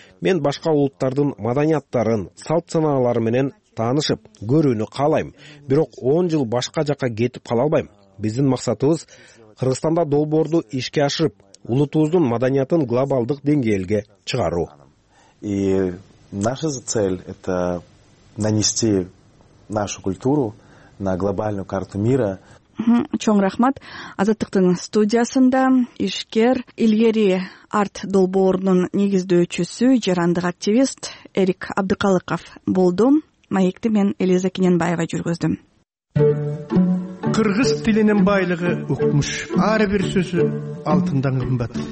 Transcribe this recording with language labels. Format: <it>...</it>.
<ky>Мен башка улуттардын маданияттарын, салт санаалары менен таанышып, көрүүнү каалайм. Бирок 10 жыл башка жакка кетип кала албайм. Биздин максатыбыз Кыргызстанда долбоорду ишке ашырып, улутубуздун маданиятын глобалдык деңгээлге чыгаруу.</ky> <ru>И наша цель — это нанести нашу культуру на глобальную карту мира.</ru> <ky>Чоң рахмат. Азаттыктын студиясында ишкер, илгери арт долбоорунун негиздөөчүсү, жарандык активист Эрик Абдыкалыков болду. Маекти мен Элиза Кененбаева жүргүздүм. Кыргыз тилинин байлыгы укмуш, ар бир сөзү алтындан кымбат.</ky>